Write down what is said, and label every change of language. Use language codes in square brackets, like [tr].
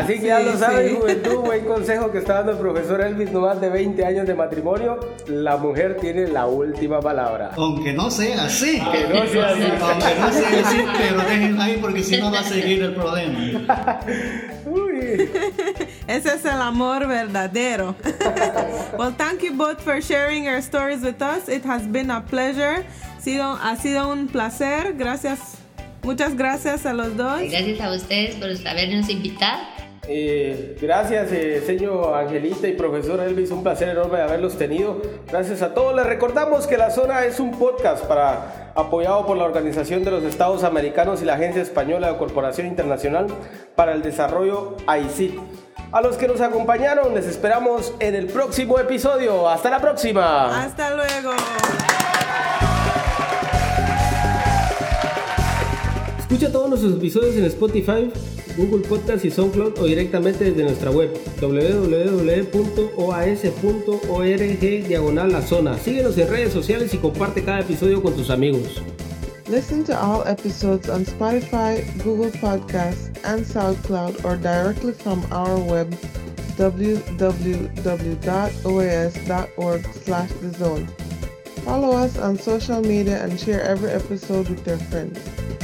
[es] Así que ya lo saben, juventud, buen consejo que está dando el profesor Elvis, no más de 20 años de matrimonio, la mujer tiene la última palabra. Aunque no sea así. Que no sea así. Aunque no sea así, pero déjenlo ahí, porque si no va a seguir el problema. Ese es el amor verdadero. [en] Well, thank you both for sharing your stories with us. It has been a pleasure. [es] Ha sido un placer. Gracias. Muchas gracias a los dos. Gracias a ustedes por habernos invitado. Gracias, señor Angelita y profesor Elvis, un placer enorme haberlos tenido. Gracias a todos, les recordamos que La Zona es un podcast para apoyado por la Organización de los Estados Americanos y la Agencia Española de Corporación Internacional para el Desarrollo, AICID. A los que nos acompañaron, les esperamos en el próximo episodio. ¡Hasta la próxima! ¡Hasta luego! Escucha todos nuestros episodios en Spotify, Google Podcasts y SoundCloud, o directamente desde nuestra web www.oas.org/lazona. Síguenos en redes sociales y comparte cada episodio con tus amigos. [en] Listen to all episodes on Spotify, Google Podcasts and SoundCloud, or directly from our web www.oas.org/thezone. Follow us on social media and share every episode with your friends.